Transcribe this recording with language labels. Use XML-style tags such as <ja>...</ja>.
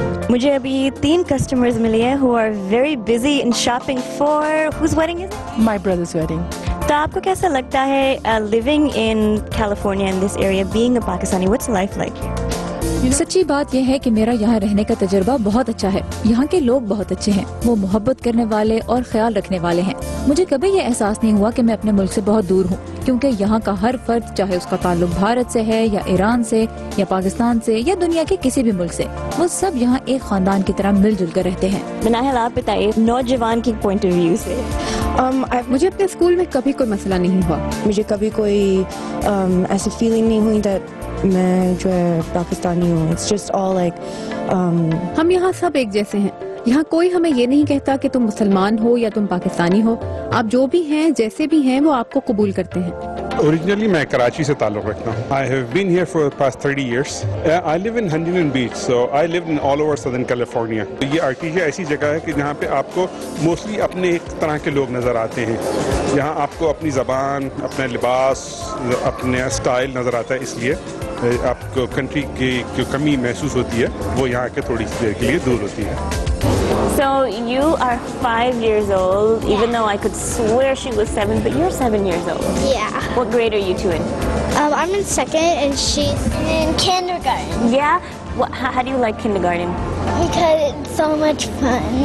<hi>मुझे अभी तीन कस्टमर्स मिले हैं</hi> <en>who are very busy in shopping for whose wedding is it? My brother's wedding.</en> <hi>तो आपको कैसा लगता है</hi> <en>living in California in this area, being a Pakistani? What's life like here? You know,</en> <hi>सच्ची बात यह है कि मेरा यहाँ रहने का तजुर्बा बहुत अच्छा है. यहाँ के लोग बहुत अच्छे हैं. वो मोहब्बत करने वाले और ख्याल रखने वाले हैं. मुझे कभी ये एहसास नहीं हुआ कि मैं अपने मुल्क से बहुत दूर हूँ, क्योंकि यहाँ का हर फर्द, चाहे उसका ताल्लुक भारत से है या ईरान से या पाकिस्तान से या दुनिया के किसी भी मुल्क से, वो सब यहाँ एक खानदान की तरह मिलजुल कर रहते हैं. मनाहिल, आप बताइए नौजवान की पॉइंट ऑफ व्यू से. मुझे अपने स्कूल में कभी कोई मसला नहीं हुआ. मुझे कभी कोई ऐसी फीलिंग नहीं हुई दैट मैं जो है पाकिस्तानी हूँ.</hi> <en>it's just all like</en> <hi>हम यहाँ सब एक जैसे हैं. यहाँ कोई हमें ये नहीं कहता कि तुम मुसलमान हो या तुम पाकिस्तानी हो. आप जो भी हैं, जैसे भी हैं, वो आपको कबूल करते हैं. Originally, मैं कराची से ताल्लुक रखता हूँ.</hi> <en>I have been here for the past 30 years. I live in Huntington Beach, so I live in all over Southern California.</en> <hi>ये आर्टिशिया ऐसी जगह है कि जहाँ पे आपको मोस्टली अपने एक तरह के लोग नजर आते हैं. यहाँ आपको अपनी जबान, अपने लिबास, अपने स्टाइल नजर आता है. इसलिए आपको कंट्री की जो कमी महसूस होती है वो यहाँ के थोड़ी सी देर के लिए दूर होती है.</hi> <en>So you are 5 years old, even though I could swear she was 7, but you're 7 years old. Yeah. What grade are you two in? I'm in second and she's in kindergarten. Yeah? How do you like kindergarten? Because it's so much fun.</en>